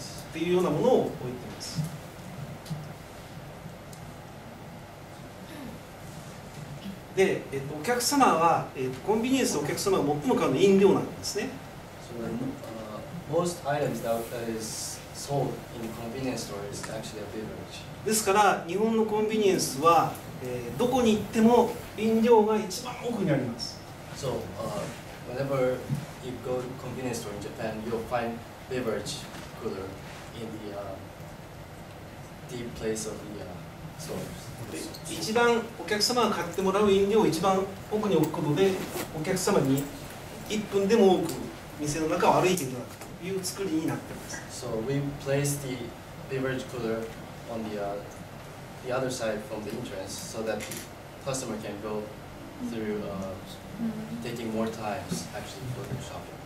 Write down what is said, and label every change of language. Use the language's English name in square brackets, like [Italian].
[Japanese] っていうようなものを置いてます。で、お客様は、コンビニエンスのお客様が最も買うのは飲料なんですね。 [English] So then, most items that is sold in the convenience store is actually a beverage. [Japanese] ですから日本のコンビニエンスは、どこに行っても飲料が一番奥にあります。 [English] So, whenever you go to convenience store in Japan, you'll find beverage cooler in the deep place of the stores. [Japanese] 一番お客様が買ってもらう飲料を一番奥に置くことでお客様に1分でも多く店の中を歩いていただくという作りになっています。 [English] So, we place the beverage coolerOn the other side from the entrance, so that the customer can go through taking more times actually for their shopping.